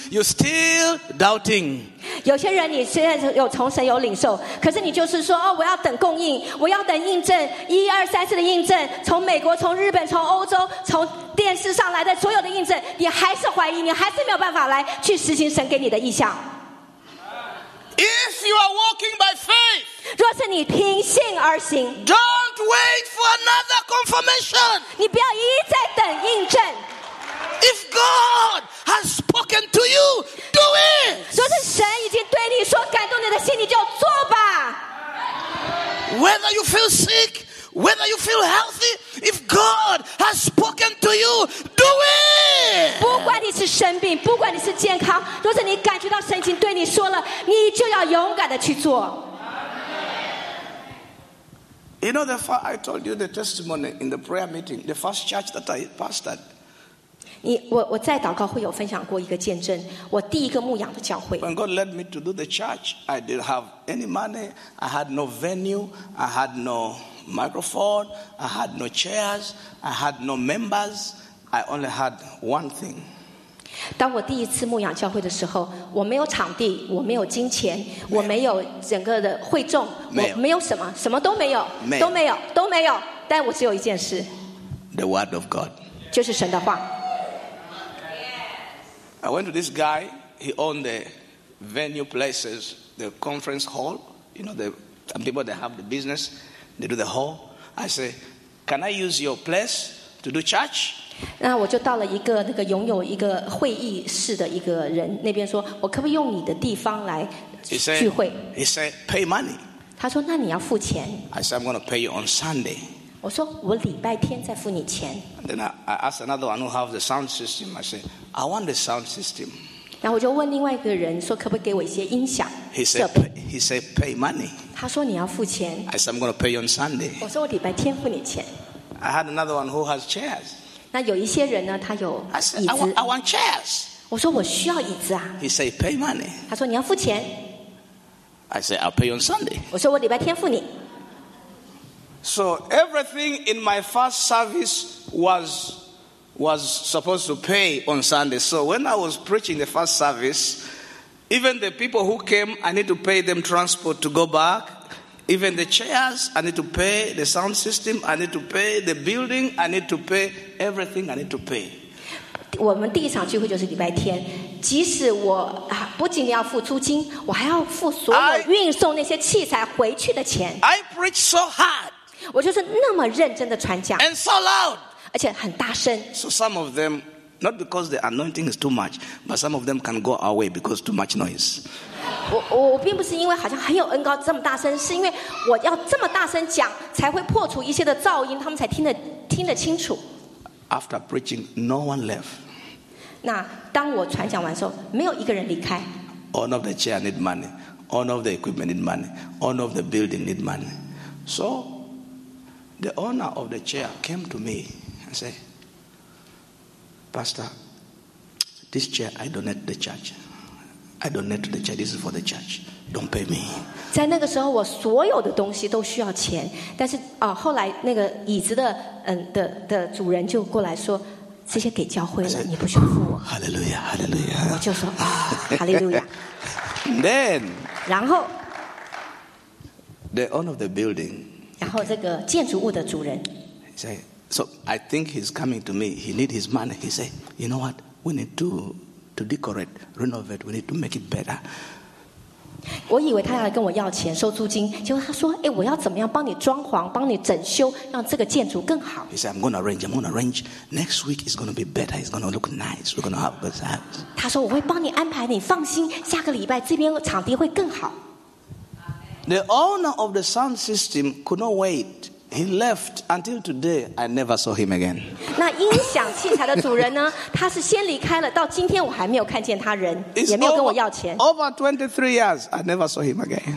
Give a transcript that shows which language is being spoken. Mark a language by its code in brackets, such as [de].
[en] You're still doubting. [zh] 有些人你虽然有从神有领受，可是你就是说，哦，我要等供应，我要等印证，一二三四的印证，从美国，从日本，从欧洲，从电视上来的所有的印证，你还是怀疑，你还是没有办法来去实行神给你的意象。 [en] If you are walking by faith, [zh] 若是你凭信而行， [en] don't wait for another confirmation. [zh] 你不要一再等印证。 [en] If God has spoken to you, do it. [zh] 若是神已经对你说感动你的心，你就做吧。 [en] Whether you feel sick. Whether you feel healthy, if God has spoken to you, do it. [zh] 不管你是生病，不管你是健康，若是你感觉到神已经对你说了，你就要勇敢的去做。 [en] You know, the first I told you the testimony in the prayer meeting, the first church that I pastored. [zh] 我在祷告会有分享过一个见证，我第一个牧养的教会。 [en] When God led me to do the church, I didn't have any money. I had no venue. I had no. Microphone, I had no chairs, I had no members, I only had one thing. [zh] 当我第一次牧养教会的时候，我没有场地，我没有金钱，我没有整个的会众，我没有什么，什么都没有，都没有，都没有，但我只有一件事。 [en] The word of God. [zh] 就是神的话。 [en] I went to this guy, he owned the venue places, the conference hall, you know, the some people that have the business. They do the hall. I say, can I use your place to do church? [zh] 那我就到了一个那个拥有一个会议室的一个人那边说，我可不可以用你的地方来聚会 [en] ？He said, pay money. [zh] 他说，那你要付钱。 [en] I said, I'm going to pay you on Sunday. [zh] 我说，我礼拜天再付你钱。 [en] Then I asked another one who has the sound system. I said, I want the sound system. [zh] 然后我就问另外一个人说，可不可以给我一些音响 [en] ？He said, pay money. [zh] 他说你要付钱。 [en] I said, I'm going to pay you on Sunday. [zh] 我说我礼拜天付你钱。 [en] I had another one who has chairs. [zh] 那有一些人呢，他有椅子。 [en] I want chairs. [zh] 我说我需要椅子啊。 [en] He said, pay money. [zh] 他说你要付钱。 [en] I said, I'll pay you on Sunday. [zh] 我说我礼拜天付你。 [en] So everything in my first service was supposed to pay on Sunday. So when I was preaching the first service, even the people who came, I need to pay them transport to go back. Even the chairs, I need to pay. The sound system, I need to pay. The building, I need to pay. Everything, I need to pay. [zh] 我们第一场聚会就是礼拜天。即使我不仅要付租金，我还要付所有运送那些器材回去的钱。 [en] I preach so hard. [zh] 我就是那么认真的传讲。 [en] And so loud. [zh] 而且很大声。 [en] So some of them, not because the anointing is too much, but some of them can go our way because too much noise. [zh] 我并不是因为好像很有恩膏这么大声，是因为我要这么大声讲，才会破除一些的噪音，他们才听得清楚。 [en] After preaching, no one left. [zh] 那当我传讲完之后，没有一个人离开。 [en] All of the chair need money. All of the equipment need money. All of the building need money. So the owner of the chair came to me and said, "Pastor, this chair I donate to the church." I donate to the church. This is for the church. Don't pay me. [zh] 在那个时候，我所有的东西都需要钱。但是啊，后来那个椅子的的主人就过来说，这些给教会了，你不需要付我。 [en] Hallelujah, Hallelujah. [zh] 我就说啊 ，Hallelujah. [en] Then. [zh] 然后 [en] ，the owner of the building. [zh] 然后这个建筑物的主人 [en] ，say, so I think he's coming to me. He need his money. He say, you know what? We need to decorate, renovate, we need to make it better. [zh] 我以为他要跟我要钱收租金，结果他说，哎，我要怎么样帮你装潢，帮你整修，让这个建筑更好。 [en] He said, I'm going to arrange. Next week is going to be better. It's going to look nice. We're going to have a good time. [zh] 他说我会帮你安排，你放心，下个礼拜这边场地会更好。 [en] The owner of the sound system could not wait. He left until today. I never saw him again. [zh] 那音响器材的主人呢？他是先离开了。到今天我还没有看见他人，也没有跟我要钱。 [en] Over 23 years, I never saw him again.